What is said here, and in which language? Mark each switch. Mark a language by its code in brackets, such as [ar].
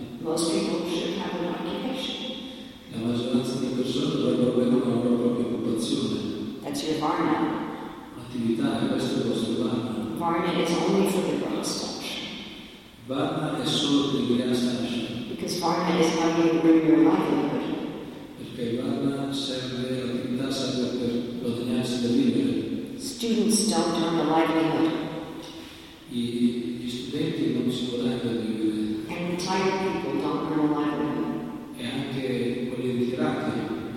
[en] most people should have an occupation. [it] La maggioranza di persone dovrebbero avere una propria occupazione. [en] That's your varna. [it] Attività, questo è il vostro varna. [en] Varna is only for the grahastha. [it] Varna è solo per il grahastha. [en] Because varna is how you bring your livelihood. [it] Perché varna serve, l'attività serve per guadagnarsi da vivere. [en] Students don't earn a livelihood. [it] Gli studenti non si guadagnano da vivere. [en] And retired people don't earn a livelihood. [it] E anche quelli ritirati.